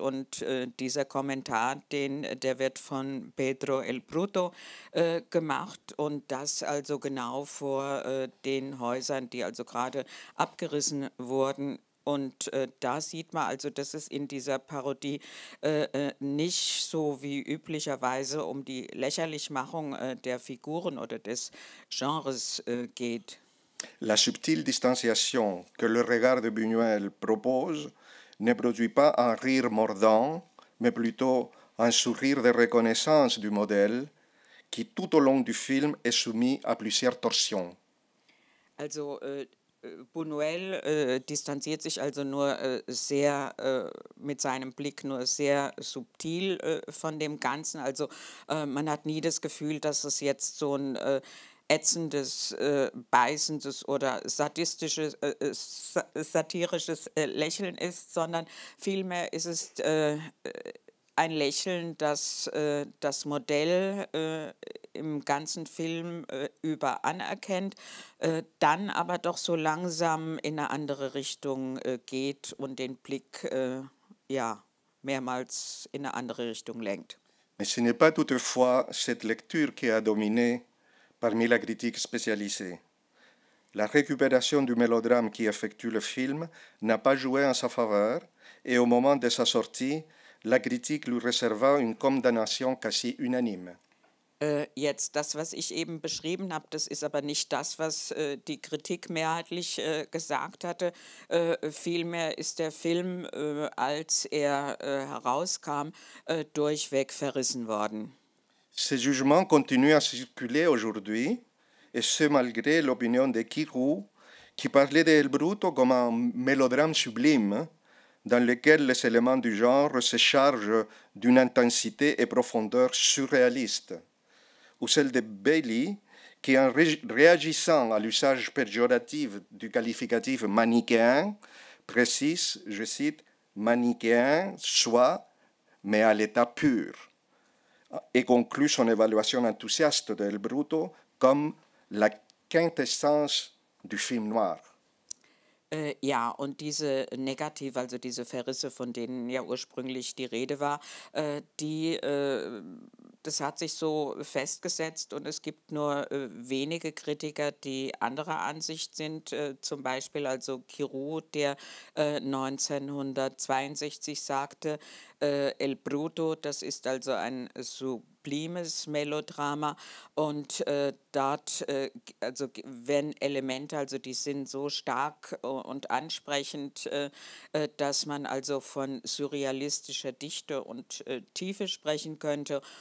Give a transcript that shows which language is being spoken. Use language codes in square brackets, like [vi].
[de] Und dieser Kommentar, der wird von Pedro El Bruto gemacht, und das also genau vor den Häusern, die also gerade abgerissen wurden, Und da sieht man also, dass es in dieser Parodie nicht so wie üblicherweise um die Lächerlichmachung der Figuren oder des Genres geht. [fr] La subtile distanciation que le regard de Buñuel propose ne produit pas un rire mordant, mais plutôt un sourire de reconnaissance du modèle qui tout au long du film est soumis à plusieurs torsions. [de] Also Buñuel distanziert sich also nur sehr mit seinem Blick nur sehr subtil von dem Ganzen. Also man hat nie das Gefühl, dass es jetzt so ein ätzendes, beißendes oder sadistisches, satirisches Lächeln ist, sondern vielmehr ist es ein Lächeln, das das Modell im ganzen Film über anerkennt, dann aber doch so langsam in eine andere Richtung geht und den Blick ja, mehrmals in eine andere Richtung lenkt. [fr] Mais ce n'est pas toutefois cette lecture qui a dominé parmi la critique spécialisée. La récupération du mélodrame qui effectue le film n'a pas joué en sa faveur et au moment de sa sortie, la critique lui réserva une condamnation quasi unanime. [de] Jetzt, das, was ich eben beschrieben habe, das ist aber nicht das, was die Kritik mehrheitlich gesagt hatte. Vielmehr ist der Film, als er herauskam, durchweg verrissen worden. [fr] Ce jugement continue à circuler aujourd'hui, et ce malgré l'opinion de Kirou, qui parlait de El Bruto comme un mélodrame sublime, dans lequel les éléments du genre se chargent d'une intensité et profondeur surréaliste, ou celle de Bailey, qui en réagissant à l'usage péjoratif du qualificatif manichéen, précise, je cite, manichéen, soit, mais à l'état pur. Et conclut son évaluation enthousiaste de El Bruto comme la quintessence du film noir. [de] Ja, und diese Negative, also diese Verrisse, von denen ja ursprünglich die Rede war, das hat sich so festgesetzt und es gibt nur wenige Kritiker, die anderer Ansicht sind. Zum Beispiel also Kirou, der 1962 sagte, El Bruto, das ist also ein sublimes Melodrama und dort, also wenn Elemente, also die sind so stark und ansprechend, dass man also von surrealistischer Dichte und Tiefe sprechen könnte.